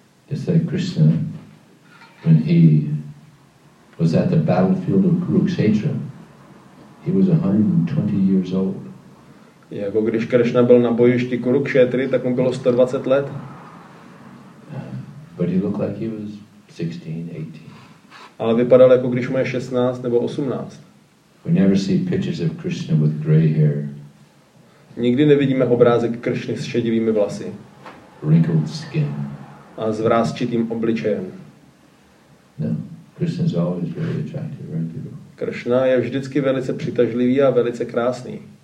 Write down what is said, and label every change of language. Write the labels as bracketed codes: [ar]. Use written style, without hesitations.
[en] Just like Krishna, when he was at the battlefield of Kurukshetra, he was 120 years old. [cs] Jako když Krishna byl na bojišti Kurukshetry, tak mu bylo 120 let. [en] But he looked like he was 16, 18. [cs] Ale vypadal jako když mu je 16 nebo 18. [en] We never see pictures of Krishna with gray hair. [cs] Nikdy nevidíme obrázek Krishny s šedivými vlasy. [en] Wrinkled skin. [cs] A s vrásčitým obličejem. [en] No, Krishna is always very attractive, very beautiful. [cs] Krishna je vždycky velice přitažlivý a velice krásný.